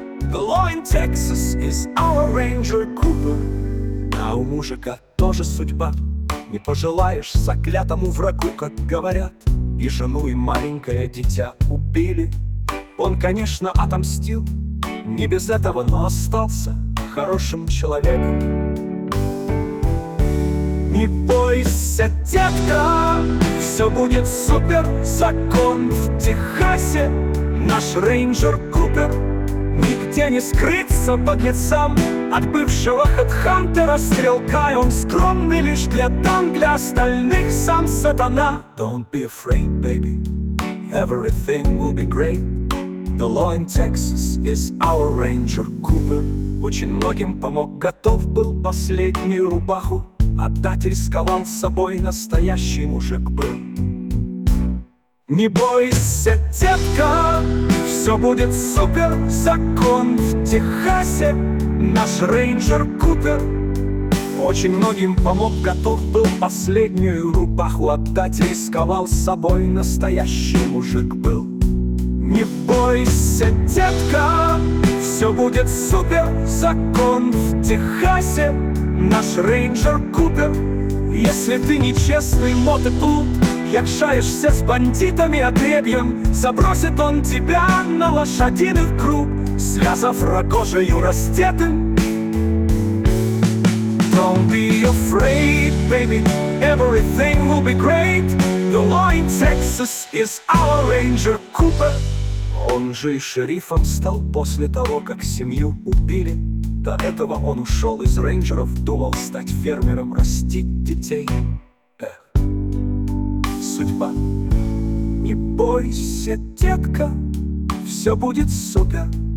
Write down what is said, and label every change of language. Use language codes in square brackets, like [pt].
[en] The law in Texas is our Ranger Cooper. [ru] А у мужика тоже судьба. Не пожелаешь заклятому врагу, как говорят. И жену, и маленькое дитя убили. Он, конечно, отомстил. Не без этого, но остался хорошим человеком. Не бойся, детка, все будет супер. Закон в Техасе, наш рейнджер Купер. Нигде не скрыться под лицам от бывшего хэдхантера стрелка. И он скромный лишь для дам, для остальных сам сатана. [en] Don't be afraid, baby, everything will be great. The law in Texas is our ranger Cooper. [ru] Очень многим помог, готов был последнюю рубаху отдать, рисковал собой, настоящий мужик был. Не бойся, детка, все будет супер. Закон в Техасе, наш рейнджер Купер. Очень многим помог, готов был последнюю рубаху отдать, рисковал собой, настоящий мужик был. Не бойся, детка, все будет супер. Закон в Техасе, наш рейнджер Купер. Если ты нечестный мотоклуб, якшаешься с бандитами отребьем, забросит он тебя на лошадиных круг, связав рогожею раздетым. [en] Don't be afraid, baby, everything will be great. The law in Texas is our Ranger Cooper. [ru] Он же и шерифом стал после того, как семью убили. До этого он ушел из рейнджеров, думал стать фермером, растить детей. Судьба. Не бойся, детка, все будет супер.